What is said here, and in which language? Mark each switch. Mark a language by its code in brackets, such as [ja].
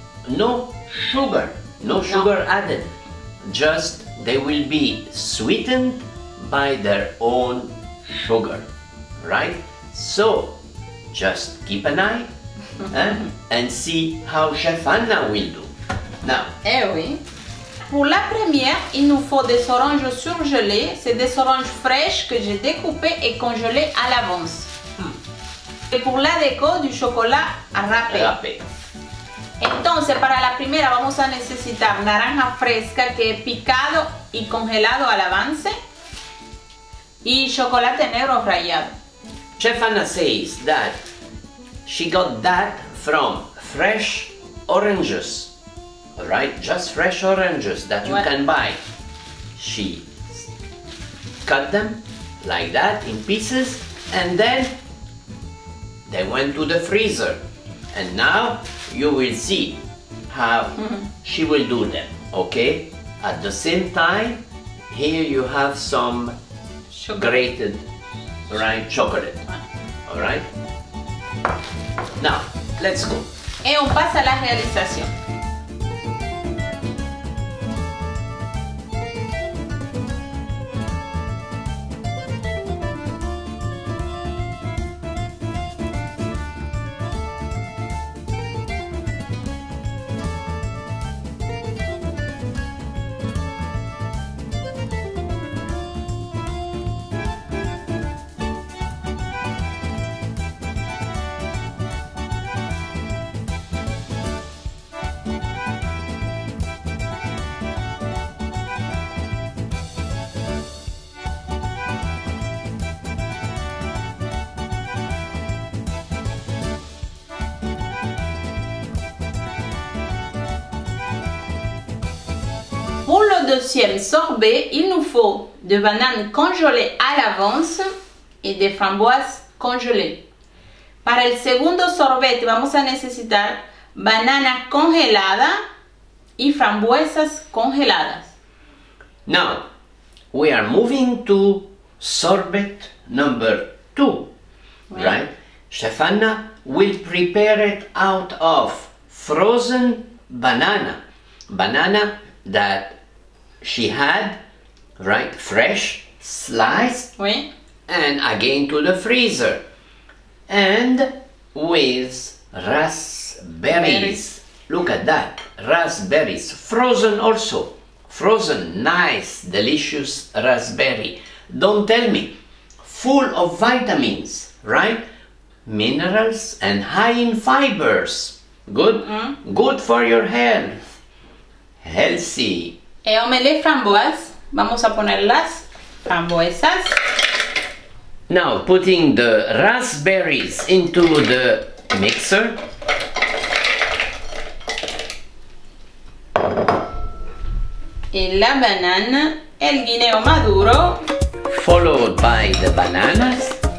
[en] No sugar, no sugar added. Just they will be sweetened by their own sugar, right? So just keep an eye and see how Chef Anna will do. Now, [fr] eh oui. Pour la première, il nous faut des oranges surgelées. C'est des oranges fraîches que j'ai découpées et congelées à l'avance. Et pour la déco, du chocolat râpé. [es] Entonces, para la primera, vamos a necesitar naranja fresca que he picado y congelado al avance. Y chocolate negro rallado. [en] Chef Anna says that she got that from fresh oranges. Right? Just fresh oranges that you can buy. She cut them like that in pieces and then they went to the freezer. And now you will see how she will do them. Okay? At the same time, here you have some grated chocolate. Alright? Now, let's go. [fr] Et on passe à la réalisation. Pour le deuxième sorbet, il nous faut des bananes congelées à l'avance et des framboises congelées. [es] Para el segundo sorbet, vamos a necesitar banana congelada y frambuesas congeladas. [en] Now, we are moving to sorbet number two, right? Chef Anna will prepare it out of frozen banana. Banana that she had, right, fresh, sliced, [fr] oui. [en] And again to the freezer, and with raspberries. Look at that, raspberries, frozen also, frozen, nice, delicious raspberry. Don't tell me, full of vitamins, right, minerals and high in fibers, good, good for your health, healthy. [fr] Et on met les framboises. [es] Vamos a poner las frambuesas. [en] Now, putting the raspberries into the mixer. [fr] Et la banane, [es] el guineo maduro. [en] Followed by the bananas.